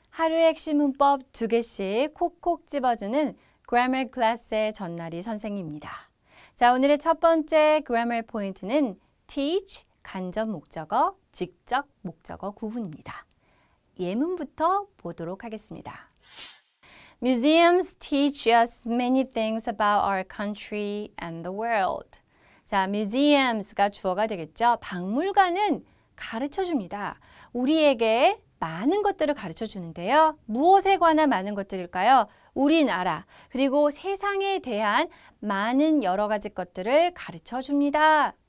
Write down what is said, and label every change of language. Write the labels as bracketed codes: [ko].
[ko] 하루의 핵심 문법 두 개씩 콕콕 집어주는 grammar class의 전나리 선생님입니다. 자, 오늘의 첫 번째 grammar 포인트는 teach 간접 목적어, 직접 목적어 구분입니다. 예문부터 보도록 하겠습니다. [en] Museums teach us many things about our country and the world. [ko] 자, museums가 주어가 되겠죠. 박물관은 가르쳐 줍니다. 우리에게 많은 것들을 가르쳐 주는데요. 무엇에 관한 많은 것들일까요? 우리나라, 그리고 세상에 대한 많은 여러 가지 것들을 가르쳐 줍니다.